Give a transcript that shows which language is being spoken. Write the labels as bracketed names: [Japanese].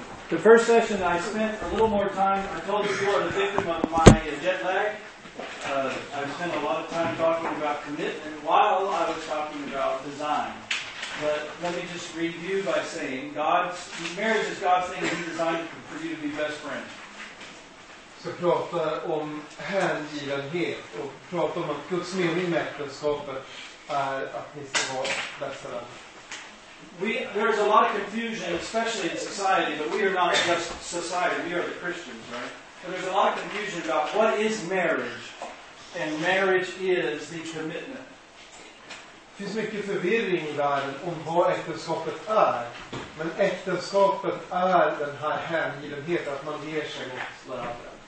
[English] The first session, I spent a little more time. I told you before, the victim of my jet lag. I spent a lot of time talking about commitment while I was talking about design. But let me just review by saying, marriage is God's thing, and He designed it for you to be best friends. [Swedish] Så prata om hängivenhet och prata om att Guds mening med äktenskapet är att ni ska vara bästa vänner. [English] There is a lot of confusion, especially in society, but we are not just society, we are the Christians, right? But there's a lot of confusion about what is marriage, and marriage is the commitment. [Swedish] Det finns mycket förvirring i världen om vad äktenskapet är, men äktenskapet är den här hängivenheten, att man ger sig åt varandra.